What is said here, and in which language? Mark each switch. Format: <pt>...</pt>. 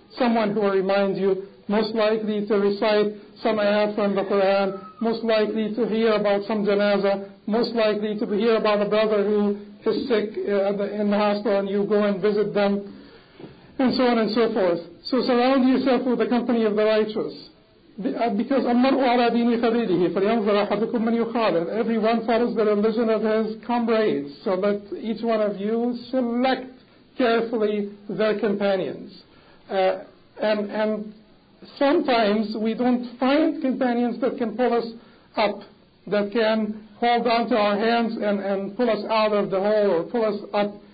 <en>someone who will remind you, most likely to recite some ayat from the Quran, most likely to hear about some janazah, most likely to hear about a brother who is sick in the hospital, and you go and visit them, and so on and so forth. So surround yourself with the company of the righteous. Because</en> <ar>أَمَّرْءُ عَلَىٰ دِينِ خَلِيلِهِ فَلْيَنْظَرْ أَحَدُكُمْ مَنْ يُخَالِلُ.</ar> <en>Everyone follows the religion of his comrades. So let each one of you select carefully their companions. And sometimes we don't find companions that can pull us up, that can hold on to our hands and pull us out of the hole or pull us up.</en>